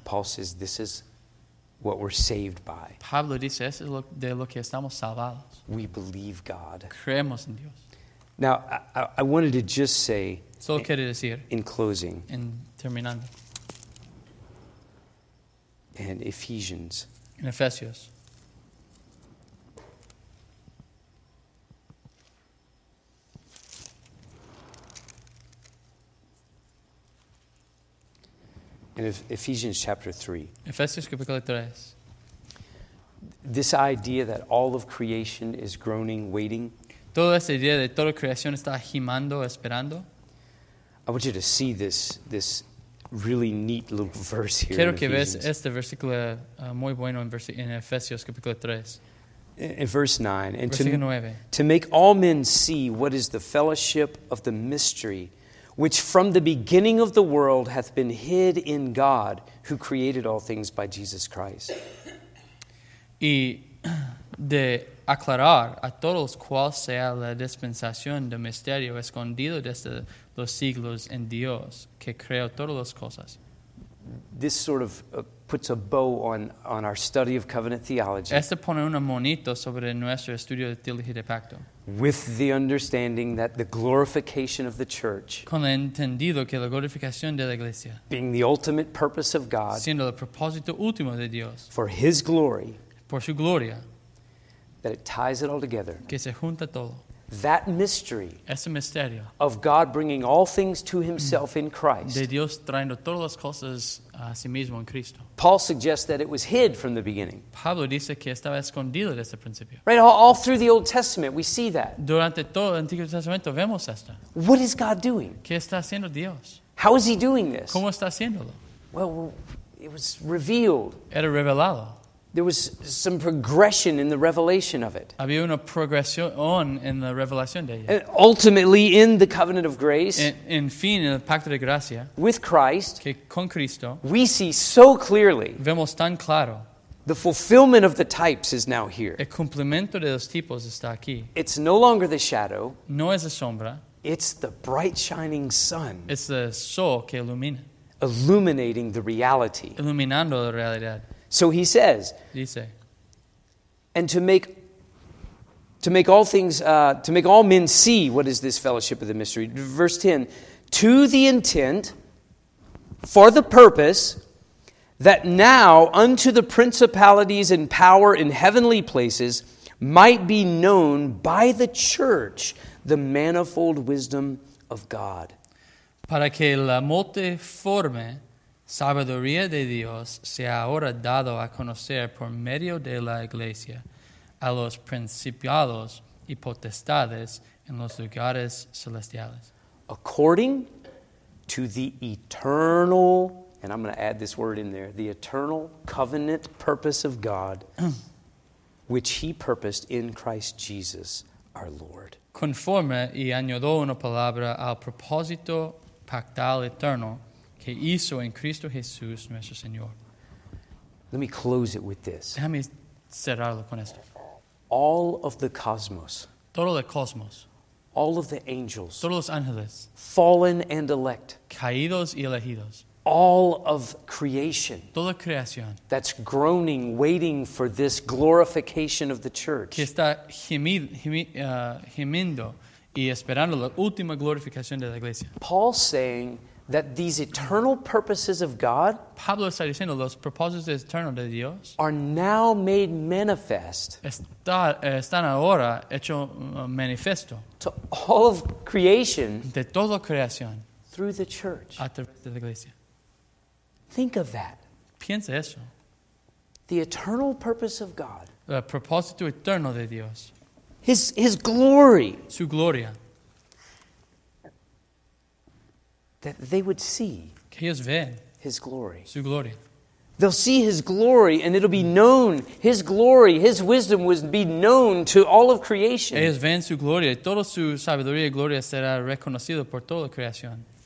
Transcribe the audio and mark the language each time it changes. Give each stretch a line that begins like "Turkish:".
English: Paul says this is what we're saved by.
Spanish: Pablo dice, eso es de lo que estamos salvados.
English: We believe God.
Spanish: Creemos en Dios.
English: Now, I wanted to just say,
Spanish: solo quiero decir,
English: in closing,
Spanish: en terminando,
English: and Ephesians,
Spanish: in Efesios,
English: in Ephesians chapter 3.
Spanish: Efesios capítulo 3.
English: This idea that all of creation is groaning, waiting.
Spanish: Toda esa idea de toda creación está gimando, esperando.
English: I want you to see this really neat little verse here.
Spanish: Quiero que veas este versículo muy bueno en Efesios capítulo 3.
English: In verse 9. And
Spanish: versículo 9.
English: To make all men see what is the fellowship of the mystery which from the beginning of the world hath been hid in God, who created all things by Jesus Christ.
Spanish: Y de aclarar a todos cuál sea la dispensación del misterio escondido desde los siglos en Dios, que creó todas las cosas.
English: This sort of puts a bow on our study of covenant theology.
Spanish: Este pone un monito sobre nuestro estudio de teología de pacto.
English: With the understanding that the glorification of the church,
Spanish: con el entendido que la glorificación de la iglesia,
English: being the ultimate purpose of God,
Spanish: siendo el propósito último de Dios,
English: for His glory,
Spanish: por su gloria,
English: that it ties it all together,
Spanish: que se junta todo,
English: that mystery,
Spanish: ese misterio,
English: of God bringing all things to Himself in Christ,
Spanish: de Dios trayendo todas las cosas a sí mismo en Cristo.
English: Paul suggests that it was hid from the beginning.
Spanish: Pablo dice que estaba escondido desde el principio.
English: Right, all through the Old Testament, we see that.
Spanish: Durante todo el Antiguo Testamento vemos esto.
English: What is God doing?
Spanish: ¿Qué está haciendo Dios?
English: How is He doing this?
Spanish: ¿Cómo está haciéndolo?
English: Well, it was revealed.
Spanish: Era revelado.
English: There was some progression in the revelation of it.
Spanish: Había una progresión en la revelación de ella.
English: And ultimately, in the covenant of grace,
Spanish: en fin, en el pacto de gracia,
English: with Christ,
Spanish: que con Cristo,
English: we see so clearly,
Spanish: vemos tan claro,
English: the fulfillment of the types is now here.
Spanish: El cumplimiento de los tipos está aquí.
English: It's no longer the shadow.
Spanish: No es la sombra.
English: It's the bright shining sun.
Spanish: Es el sol que ilumina.
English: Illuminating the reality.
Spanish: Iluminando la realidad.
English: So he says,
Spanish: dice,
English: and to make all men see what is this fellowship of the mystery. Verse 10, to the intent, for the purpose, that now unto the principalities and power in heavenly places might be known by the church the manifold wisdom of God.
Spanish: Para que la multiforme sabiduría de Dios se ha ahora dado a conocer por medio de la iglesia a los principados y potestades en los lugares celestiales.
English: According to the eternal, and I'm going to add this word in there, the eternal covenant purpose of God, which He purposed in Christ Jesus our Lord.
Spanish: Conforme y añadió una palabra al propósito pactal eterno que hizo en Cristo Jesús nuestro Señor.
English: Let me close it with this.
Spanish: Déjame cerrarlo con esto.
English: All of the cosmos.
Spanish: Todo el cosmos.
English: All of the angels.
Spanish: Todos los ángeles.
English: Fallen and elect.
Spanish: Caídos y elegidos.
English: All of creation.
Spanish: Toda creación.
English: That's groaning, waiting for this glorification of the church.
Spanish: Que está gimiendo y esperando la última glorificación de la iglesia.
English: Paul saying that these eternal purposes of God,
Spanish: Pablo está diciendo, los propósitos eternos de Dios,
English: are now made manifest,
Spanish: están ahora hecho manifiesto,
English: to all of creation,
Spanish: de toda creación,
English: through the church,
Spanish: a través de la iglesia.
English: Think of that.
Spanish: Piensa eso.
English: The eternal purpose of God,
Spanish: el propósito eterno de Dios,
English: His glory,
Spanish: su gloria,
English: that they would see
Spanish: que ellos ven
English: His glory.
Spanish: Su gloria.
English: They'll see His glory and it'll be known. His glory, His wisdom would be known to all of creation.
Spanish: Ellos ven su gloria y toda su sabiduría y gloria será reconocida por toda la creación.